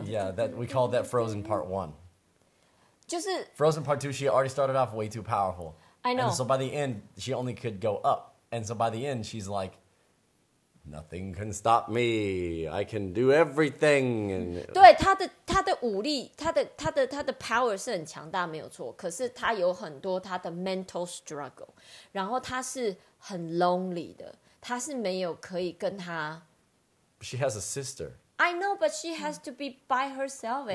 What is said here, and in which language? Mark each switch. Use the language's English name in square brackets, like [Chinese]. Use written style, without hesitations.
[English] Yeah, that, we called that Frozen Part 1. [Chinese] 就是 [English] Frozen Part 2, she already started off way too powerful. I know. And so by the end, she only could go up. And so by the end, she's like, nothing can stop me. I can do everything. [Chinese] 对,她的武力,她的 power 是很强大,没有错。可是她有很多她的 [English] mental struggle. [Chinese] 然后她是很 lonely 的。她是没有可以跟她 [English] She has a sister. I know, but she has to be by herself at、